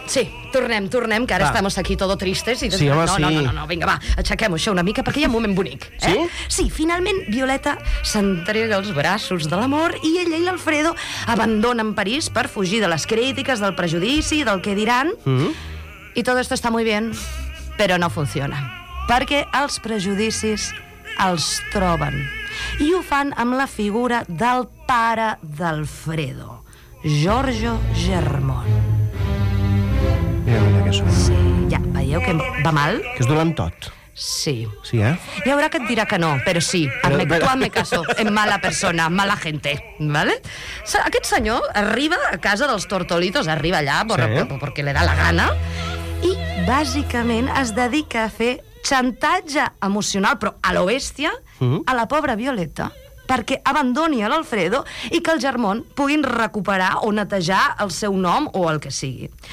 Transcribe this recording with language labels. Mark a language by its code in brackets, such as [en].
[ca] Sí, tornem, que ara estem aquí todo tristes. I... Sí, home, no, sí. No, vinga, va, aixequem-ho això una mica, perquè hi ha un moment bonic. Sí? Eh? Sí, finalment Violeta s'entrega els braços de l'amor i ella i l'Alfredo abandonen París per fugir de les crítiques, del prejudici, del que diran. I tot [es] esto está muy bien, [ca] però no funciona. Perquè els prejudicis els troben. I ho fan amb la figura del pare d'Alfredo, Giorgio Germont. Sí, ja, veieu que va mal? Que és dolent tot. Sí. Sí, eh? Hi haurà que et dirà que no, però sí. [es] Tu hazme caso, en mala persona, mala gente, ¿vale? [ca] Aquest senyor arriba a casa dels Tortolitos, arriba allà, perquè li [es] da la gana, [ca] i bàsicament es dedica a fer xantatge emocional, però a l'oestia, a la pobra Violeta, perquè abandoni a l'Alfredo i que el Germont puguin recuperar o netejar el seu nom o el que sigui.